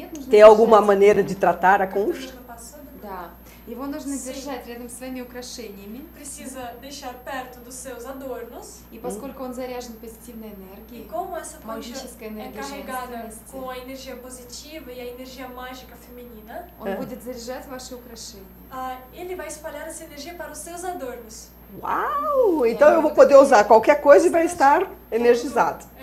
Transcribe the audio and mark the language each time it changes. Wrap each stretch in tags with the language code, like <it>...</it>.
<pt>Tem alguma maneira de tratar a concha?</pt> <ru>Его нужно держать рядом с своими украшениями.</ru> <pt>Precisa deixar perto dos seus adornos.</pt> <ru>И поскольку он заряжен позитивной энергией, магической энергией женственности,</ru> <pt>com a energia positiva e a energia mágica feminina,</pt> <ru>он будет заряжать ваши украшения.</ru> <pt>Ele vai espalhar essa energia para os seus adornos. Uau! Então eu vou poder usar qualquer coisa e vai estar energizado.</pt>